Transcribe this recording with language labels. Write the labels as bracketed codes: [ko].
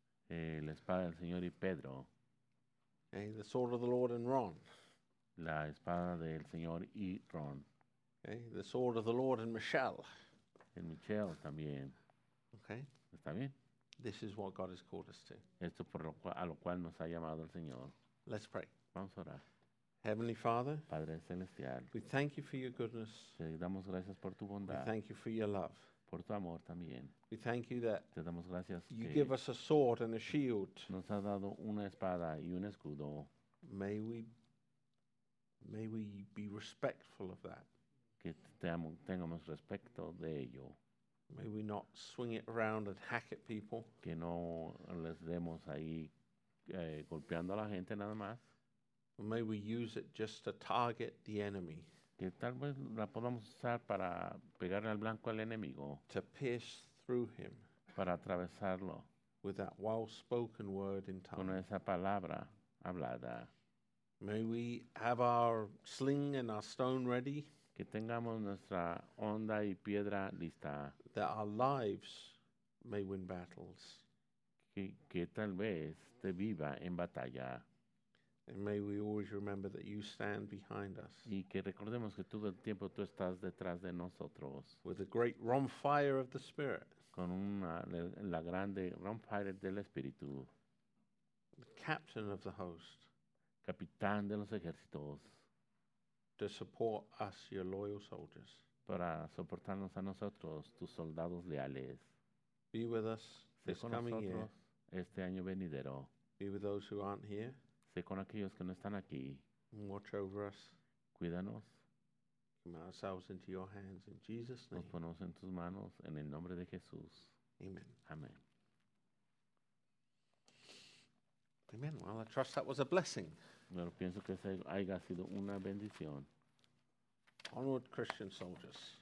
[es] La espada del Señor y Pedro. [en] Okay, the sword of the Lord and Ron. [es] La espada del Señor y Ron. [en] Okay, the sword of the Lord and Michelle. [es] El Michelle también. [en] Okay. [es] ¿Está bien? [en] This is what God has called us to. [es] Esto por lo cual, a lo cual nos ha llamado el Señor. [en] Let's pray. [es] Vamos a orar. [en] Heavenly Father, [es] Padre Celestial, [en] we thank you for your goodness. [es] Te damos gracias por tu bondad. [en] We thank you for your love. [es] Por tu amor también. [en] We thank you that [es] te damos gracias. [en] You give us a sword and a shield. [es] Nos ha dado una espada y un escudo. [en] May we be respectful of that. [es] Que tengamos respeto de ello. [en] May we not swing it around and hack at people. [es] Que no les demos ahí golpeando a la gente nada más. [en] May we use it just to target the enemy. [es] Que tal vez la podamos usar para pegarle al blanco al enemigo. [en] To pierce through him. [es] Para atravesarlo. [en] With that well-spoken word in tongue. [es] Con esa palabra hablada. [en] May we have our sling and our stone ready. [es] Que tengamos nuestra onda y piedra lista. [en] That our lives may win battles. [es] Que tal vez te viva en batalla. [en] And may we always remember that you stand behind us. [es] Y que recordemos que todo el tiempo tú estás detrás de nosotros. [en] With the great bonfire of the Spirit. [es] Con una, la grande bonfire del Espíritu. [en] The captain of the host. [es] Capitán de los ejércitos. [en] To support us, your loyal soldiers. [es] Para soportarnos a nosotros, tus soldados leales. [en] Be with us this coming year. [es] Este año venidero. [en] Be with those who aren't here. [es] Sé con aquellos que no están aquí. [en] Watch over us. [es] Cuídanos. [en] Commit ourselves into your hands in Jesus' name. [es] Nos ponemos en tus manos en el nombre de Jesús. [en] Amen. [es] Amen. [en] Amen. Well, I trust that was a blessing. [es] Pero pienso que eso haya sido una bendición. [en] Onward, Christian soldiers.